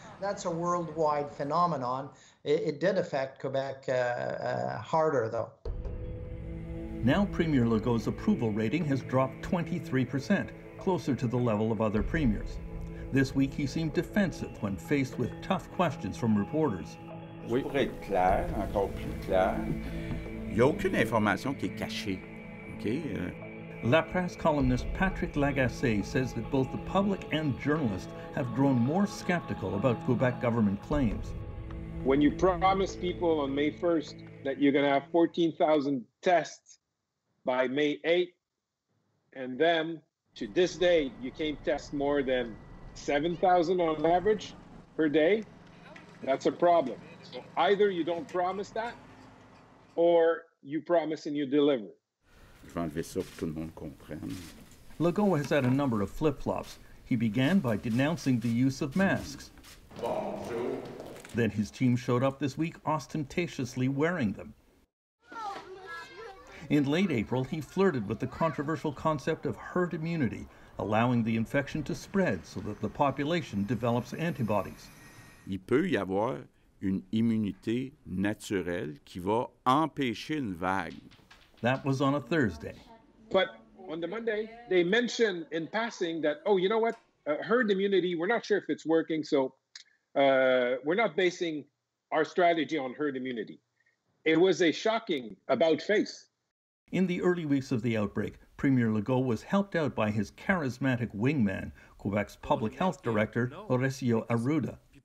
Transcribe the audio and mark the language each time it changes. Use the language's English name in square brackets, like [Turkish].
[English] That's a worldwide phenomenon. It did affect Quebec harder, though. Now Premier Legault's approval rating has dropped 23%, closer to the level of other premiers. This week he seemed defensive when faced with tough questions from reporters. [French] Oui, pour être clair, encore plus clair, il y a aucune information qui est cachée. [English] OK? La Presse columnist Patrick Lagacé says that both the public and journalists have grown more skeptical about Quebec government claims. When you promise people on May 1st that you're going to have 14,000 tests by May 8th, and then to this day you can't test more than 7,000 on average per day, that's a problem. So either you don't promise that, or you promise and you deliver. Legault has had a number of flip-flops. He began by denouncing the use of masks. [French] Bonjour. [English] Then his team showed up this week ostentatiously wearing them. In late April, he flirted with the controversial concept of herd immunity, allowing the infection to spread so that the population develops antibodies. [French] Il peut y avoir une immunité naturelle qui va empêcher une vague. [English] That was on a Thursday. But on the Monday, they mentioned in passing that, oh, you know what, herd immunity, we're not sure if it's working, so we're not basing our strategy on herd immunity. It was a shocking about-face. In the early weeks of the outbreak, Premier Legault was helped out by his charismatic wingman, Quebec's public health director, Horacio Arruda.